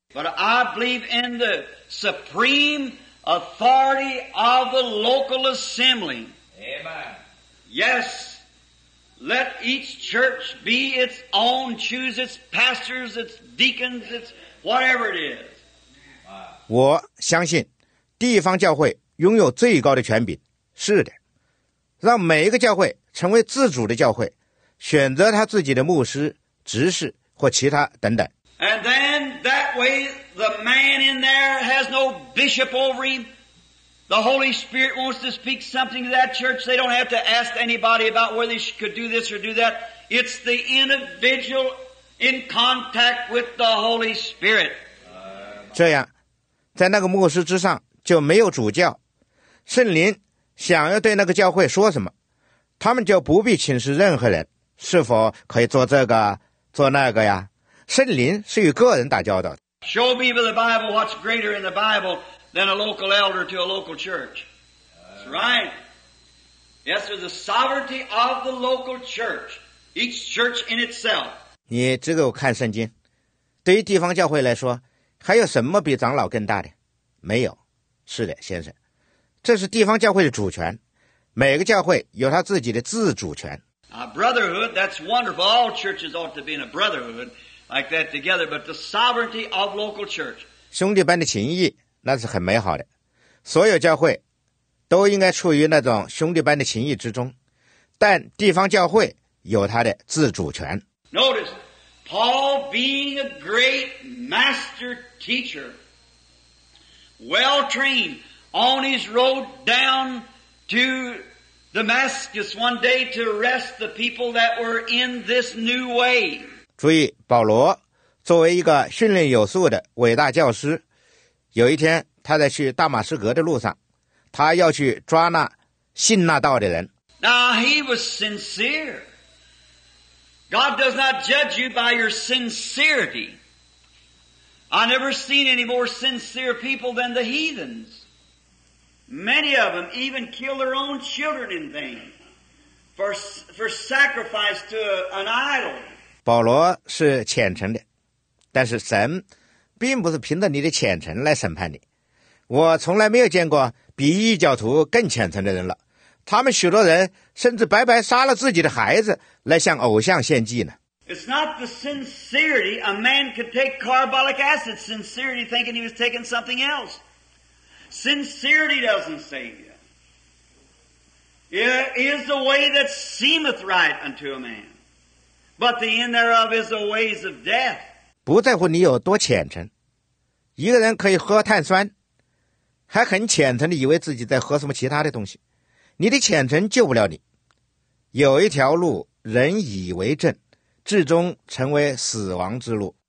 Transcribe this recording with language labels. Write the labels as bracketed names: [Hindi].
[English] But I believe in the supreme authority of the local assembly. Amen. Yes, let each church be its own, choose its pastors, its deacons, its whatever it is. [Chinese] 我相信地方教会拥有最高的权柄。是的，让每一个教会成为自主的教会，选择他自己的牧师、执事或其他等等。 [English] And then that way the man in there has no bishop over him. The Holy Spirit wants to speak something to that church. They don't have to ask anybody about whether they could do this or do that. It's the individual in contact with the Holy Spirit. [Chinese] 这样，在那个牧师之上就没有主教，圣灵想要对那个教会说什么，他们就不必请示任何人，是否可以做这个做那个呀？圣灵是与个人打交道的。 [English] Show people the Bible. What's greater in the Bible than a local elder to a local church? That's right. Yes, sir. The sovereignty of the local church, each church in itself. [Chinese] 你只给我看圣经。对于地方教会来说，还有什么比长老更大的？没有。是的，先生，这是地方教会的主权。每个教会有他自己的自主权。 [English] A brotherhood, that's wonderful. All churches ought to be in a brotherhood like that together, but the sovereignty of local church. [Chinese] 兄弟般的情谊，那是很美好的。所有教会都应该处于那种兄弟般的情谊之中，但地方教会有他的自主权。 [English] Notice, Paul being a great master teacher, well trained on his road down to Damascus one day to arrest the people that were in this new way. [Chinese] 注意，保罗作为一个训练有素的伟大教师，有一天他在去大马士革的路上，他要去抓那信那道的人。 [English] Now he was sincere. God does not judge you by your sincerity. I never seen any more sincere people than the heathens. Many of them even kill their own children in vain for sacrifice to an idol. [Chinese] 保罗是虔诚的，但是神并不是凭着你的虔诚来审判你。我从来没有见过比异教徒更虔诚的人了。他们许多人甚至白白杀了自己的孩子来向偶像献祭呢。 [English] It's not the sincerity. A man could take carbolic acid sincerity thinking he was taking something else. Sincerity doesn't save you. It is the way that seemeth right unto a man. But the end thereof is the ways of death. [Chinese] 不在乎你有多虔诚。一个人可以喝碳酸，还很虔诚地以为自己在喝什么其他的东西。你的虔诚救不了你。有一条路人以为正，至终成为死亡之路。